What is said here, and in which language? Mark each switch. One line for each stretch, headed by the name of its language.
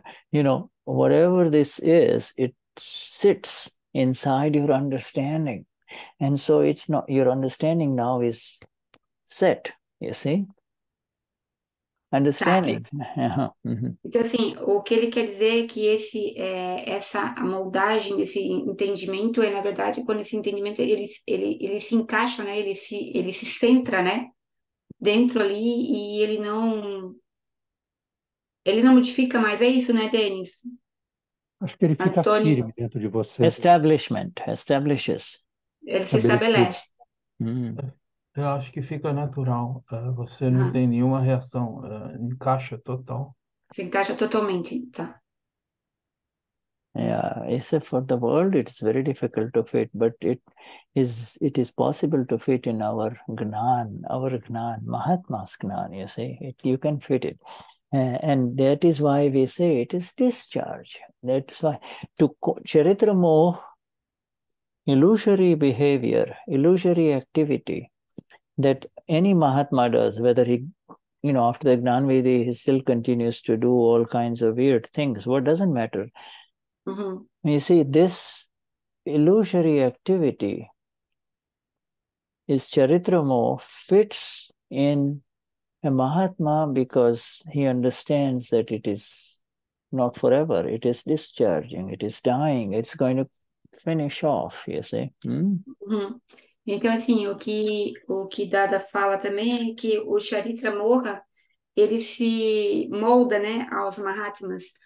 English: You know, whatever this is, it sits inside your understanding. And so it's not, your understanding now is set, you see? Understanding.
Portuguese: Então, assim, o que ele quer dizer é que esse, essa moldagem, esse entendimento, é, na verdade, quando esse entendimento, ele se encaixa, né? Ele se centra, né? Dentro ali, e ele não modifica mais. É isso, né, Denis? Acho que ele fica Antônio. Firme dentro de você.
English: Establishment. Establishes.
Portuguese: Ele se estabelece. Eu acho que fica natural, você não tem nenhuma reação, encaixa total. Se encaixa totalmente, tá.
English: Yeah, except for the world, it's very difficult to fit, but it is possible to fit in our Gnan, Mahatma's Gnan, you see, you can fit it. And that is why we say it is discharge. That's why, Charitra Moha, illusory behavior, illusory activity, that any Mahatma does, whether he, you know, after the Gnanvedi, he still continues to do all kinds of weird things. What doesn't matter? Mm-hmm. You see, this illusory activity is Charitra Moha, fits in a Mahatma because he understands that it is not forever. It is discharging. It is dying. It's going to finish off, you see.
Portuguese: Então, assim, o que Dada fala também é que o Charitra Moha, ele se molda, né, aos Mahatmas.